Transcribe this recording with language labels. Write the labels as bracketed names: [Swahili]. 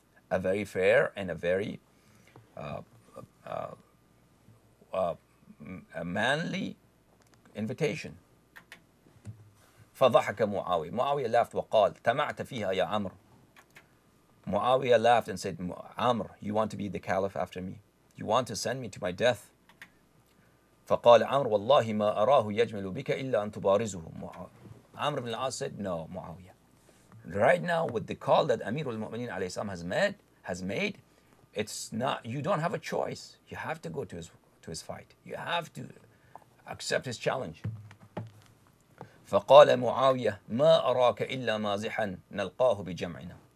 [English] A very fair and a very a manly invitation. [Arabic] فضحك Muawiyah. [English] Muawiyah laughed [Arabic] وقال تمعت فيها يا عمر. [English] Muawiyah laughed and said, Amr, you want to be the caliph after me? You want to send me to my death? [Arabic] فقال عمر والله ما أراه يجمل بك إلا أن تبارزه. عمر بن العاص [English] said no [Arabic] معاوية. [English] right now with the call that Amir al-Mu'mineen alayhi salam has made, it's not, you don't have a choice. You have to go to his fight. You have to accept his challenge. [Arabic] فَقَالَ مُعَاوِيَةَ مَا أَرَاكَ إِلَّا مَازِحًا نَلْقَاهُ بِجَمْعِنَا.